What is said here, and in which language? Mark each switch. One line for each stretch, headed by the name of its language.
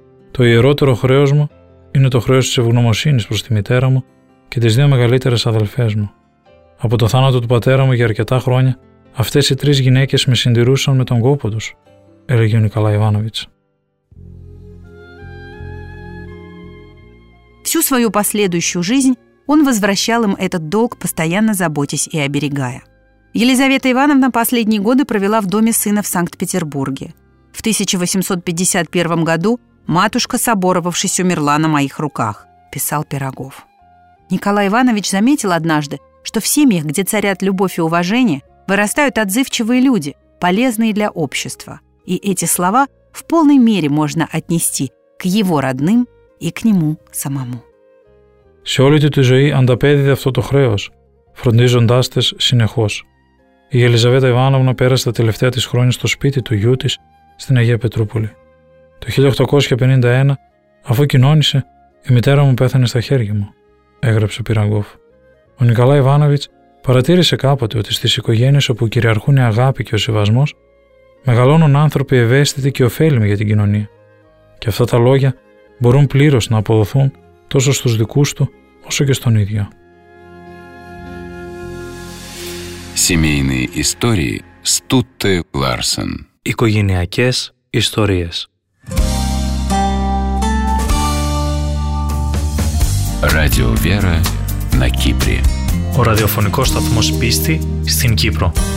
Greek: «Το ιερότερο χρέος μου είναι το χρέος της ευγνωμοσύνης προς τη μητέρα μου και τις 2 μεγαλύτερες αδελφές μου. Από το θάνατο του πατέρα μου για αρκετά χρόνια, αυτές οι 3 γυναίκες με συντηρούσαν με τον κόπο τους», έλεγε ο Νικολάη Ιβάνοβιτς.
Russian: Всю свою последующую жизнь он возвращал им этот долг, постоянно заботясь и оберегая. Елизавета Ивановна последние годы провела в доме сына в Санкт-Петербурге. В 1851 году матушка, соборовавшись, умерла на моих руках, писал Пирогов. Николай Иванович заметил однажды, что в семьях, где царят любовь и уважение, вырастают отзывчивые люди, полезные для общества. И эти слова в полной мере можно отнести к его родным и к нему самому.
Greek: Σε όλη του τη ζωή ανταπέδιδε αυτό το χρέος, φροντίζοντάς τες συνεχώς. Η Ελιζαβέτα Ιβάνοβνα πέρασε τα τελευταία της χρόνια στο σπίτι του γιού της στην Αγία Πετρούπολη. Το 1851, αφού κοινώνησε, η μητέρα μου πέθανε στα χέρια μου, έγραψε ο Πυραγκόφ. Ο Νικολάη Ιβάνοβιτς παρατήρησε κάποτε ότι στις οικογένειες όπου κυριαρχούν η αγάπη και ο σεβασμός, μεγαλώνουν άνθρωποι ευαίσθητοι και ωφέλιμοι για την κοινωνία. Και αυτά τα λόγια μπορούν πλήρως να αποδοθούν τόσο στους δικούς του, όσο και στον ίδιο.
Russian: Семейные истории Стутте Ларсен.
Greek: Οικογενειακές ιστορίες.
Russian: Радио Вера на Кипре.
Greek: Ο ραδιοφωνικός σταθμός πίστη στην Κύπρο.